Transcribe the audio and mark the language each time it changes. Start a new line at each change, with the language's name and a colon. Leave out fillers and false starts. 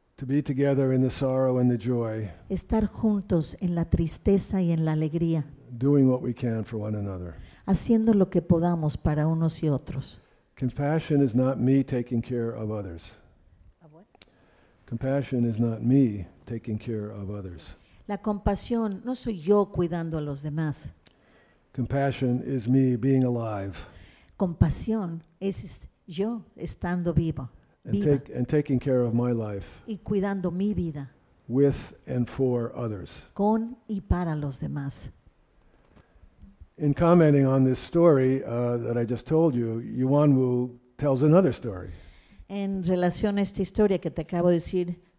English: To be together in the sorrow and the joy.
Spanish: Estar juntos en la tristeza y en la alegría.
English: Doing what we can for one another.
Spanish: Haciendo lo que podamos para unos y otros.
English: Compassion is not me taking care of others. Of what? Compassion is not me taking care of others.
Spanish: La compasión no soy yo cuidando a los demás.
English: Compassion is me being alive.
Spanish: Compasión es yo estando vivo.
English: And taking care of my life.
Spanish: Y cuidando mi vida.
English: With and for others.
Spanish: Con y para los demás.
English: In commenting on this story that I just told you, Yuan Wu tells another story.
Spanish: En relación a esta historia que te acabo de decir,